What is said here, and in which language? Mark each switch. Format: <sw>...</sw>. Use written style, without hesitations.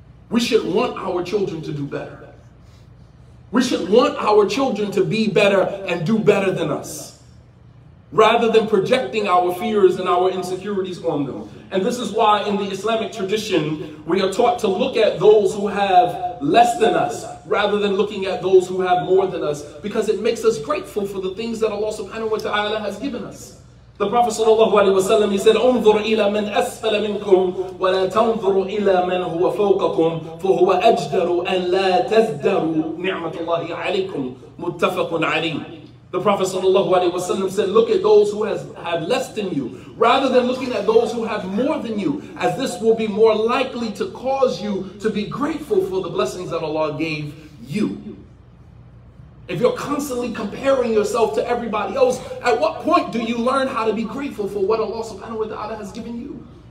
<en>We should want our children to do better. We should want our children to be better and do better than us, rather than projecting our fears and our insecurities on them. And this is why in the Islamic tradition, we are taught to look at those who have less than us, rather than looking at those who have more than us, because it makes us grateful for the things that Allah subhanahu wa ta'ala has given us. The Prophet sallallahu alaihi wasallam, he said,</en> <ar>انظر إلى من أسفل منكم ولا تنظر إلى من هو فوقكم فهو أجدر أن لا تزدروا نعمة الله عليكم. متفق عليه.</ar> <en>The Prophet sallallahu alaihi wasallam said, look at those who have less than you, rather than looking at those who have more than you, as this will be more likely to cause you to be grateful for the blessings that Allah gave you. If you're constantly comparing yourself to everybody else, at what point do you learn how to be grateful for what Allah subhanahu wa ta'ala has given you?</en>